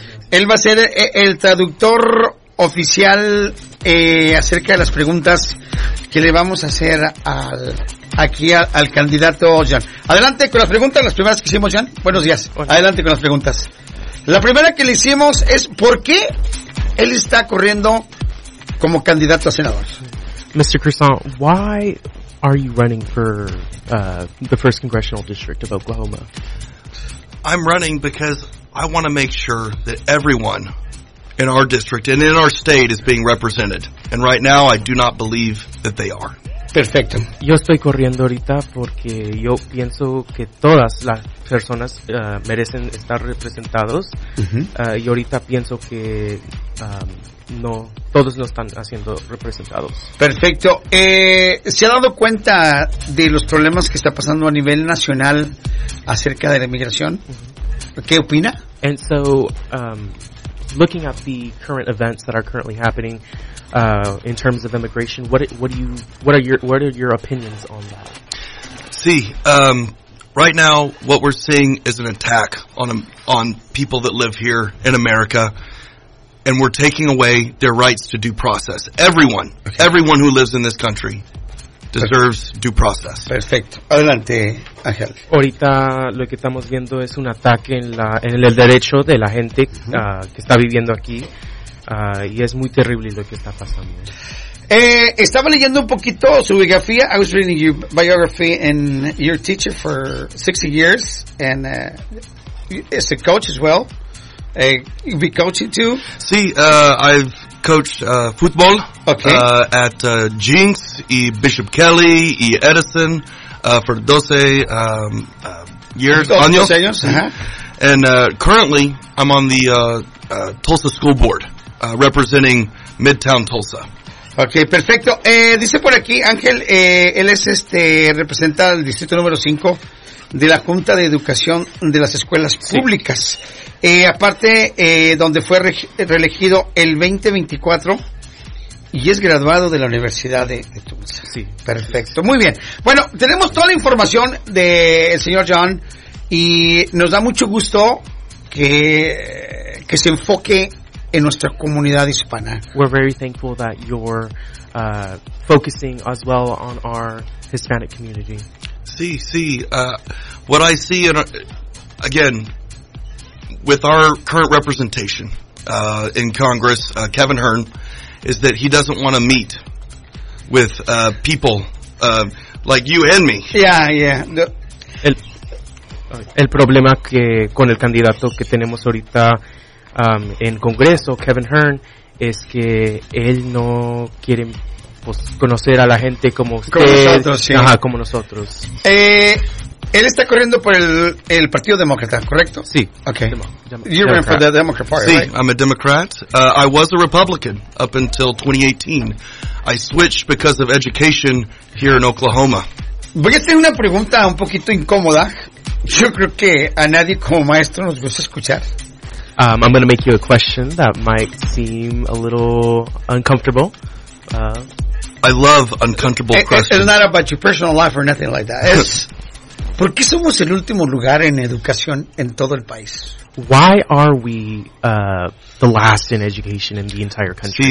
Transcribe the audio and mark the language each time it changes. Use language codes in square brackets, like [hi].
[es] Él va a ser el traductor oficial acerca de las preguntas que le vamos a hacer al candidato Jan. Adelante con las preguntas, las primeras que hicimos, Jan. Buenos días. Hola. Adelante con las preguntas. La primera que le hicimos es, ¿por qué él está corriendo como candidato a senador? [en] Mr. Croissant, why are you running for the first congressional district of Oklahoma? I'm running because I want to make sure that everyone in our district and in our state is being represented. And right now, I do not believe that they are. [es] Perfecto. Yo estoy corriendo ahorita porque yo pienso que todas las personas merecen estar representados. Y ahorita pienso que no, todos no están siendo representados. Perfecto. ¿Se ha dado cuenta de los problemas que está pasando a nivel nacional acerca de la inmigración? ¿Qué opina? [en] And so, looking at the current events that are currently happening in terms of immigration, what are your opinions on that? See, right now what we're seeing is an attack on people that live here in America, and we're taking away their rights to due process. Everyone, okay. Everyone who lives in this country deserves due process. [es] Perfecto. Adelante, Ángel. Ahorita lo que estamos viendo es un ataque en el derecho de la gente que está viviendo aquí. Y es muy terrible lo que está pasando. Estaba leyendo un poquito su biografía. [en] I was reading your biography and you're a teacher for 60 years. And as a coach as well. You'll be coaching too? Sí, I've coached football. Okay. At Jinx y Bishop Kelly y Edison for 12 years. [es] Oh, años. Años. Uh-huh. [en] And currently I'm on the Tulsa School Board representing Midtown Tulsa. [es] Okay, perfecto. Dice por aquí Ángel, él es representa el distrito número 5 de la Junta de Educación de las Escuelas Públicas. Sí. Aparte donde fue reelegido el 2024 y es graduado de la Universidad de Tulsa. Sí, perfecto. Muy bien. Bueno, tenemos toda la información del señor John y nos da mucho gusto que se enfoque en nuestra comunidad hispana. [en] We're very thankful that you're focusing as well on our Hispanic community. Sí, what I see again with our current representation in Congress, Kevin Hearn, is that he doesn't want to meet with people like you and me. Yeah, yeah. [es] El problema que con el candidato que tenemos ahorita en Congreso, Kevin Hearn, es que él no quiere conocer a la gente como usted, como nosotros. Sí. Ajá, como nosotros. Él está corriendo por el Partido Demócrata, ¿correcto? Sí. [en] Okay. You ran for the Democrat Party, [es] sí, [en] right? Sí, I'm a Democrat. I was a Republican up until 2018. I switched because of education here in Oklahoma. [es] Voy a hacer una pregunta un poquito incómoda. Yo creo que a nadie como maestro nos gusta escuchar. [en] I'm going to make you a question that might seem a little uncomfortable. I love uncomfortable questions. It's not about your personal life or nothing like that. [es] It's ¿por qué somos el último lugar en educación en todo el país? [en] Why are we the last in education in the entire country?